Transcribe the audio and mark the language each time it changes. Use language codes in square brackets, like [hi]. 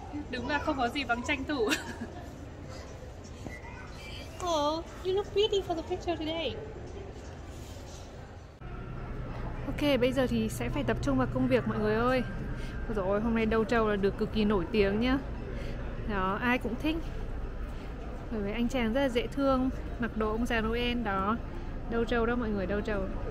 [vi] Đúng là không có gì bằng tranh thủ. [en] Oh, you look pretty for the picture today. [vi] Ok, bây giờ thì sẽ phải tập trung vào công việc mọi người ơi. Ôi dồi ôi, hôm nay Đâu Trâu là được cực kỳ nổi tiếng nhá. Đó, ai cũng thích. Bởi vì anh chàng rất là dễ thương, mặc đồ ông già Noel đó. Đâu Trâu đó mọi người, Đâu Trâu.